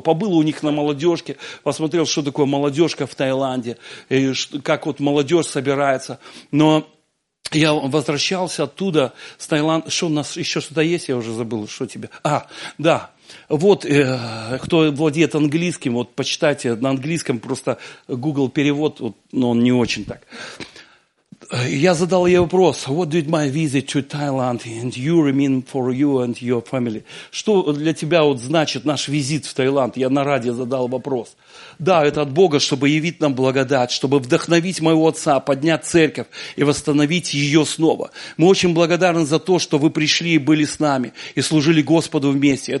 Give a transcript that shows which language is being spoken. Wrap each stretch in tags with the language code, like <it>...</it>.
<ru>Побыл у них на молодежке, посмотрел, что такое молодежка в Таиланде, и как вот молодежь собирается. Но Я возвращался оттуда, с Таиланда. Что у нас еще что-то есть? Я уже забыл, что тебе. А, да. Вот, кто владеет английским, вот почитайте на английском, просто Google перевод, вот, но он не очень так. Я задал ей вопрос:</ru> <en>what did my visit to Thailand and you mean for you and your family?</en> <ru>Что для тебя вот значит наш визит в Таиланд? Я на радио задал вопрос. Да, это от Бога, чтобы явить нам благодать, чтобы вдохновить моего отца, поднять церковь и восстановить ее снова. Мы очень благодарны за то, что вы пришли и были с нами, и служили Господу вместе.</ru>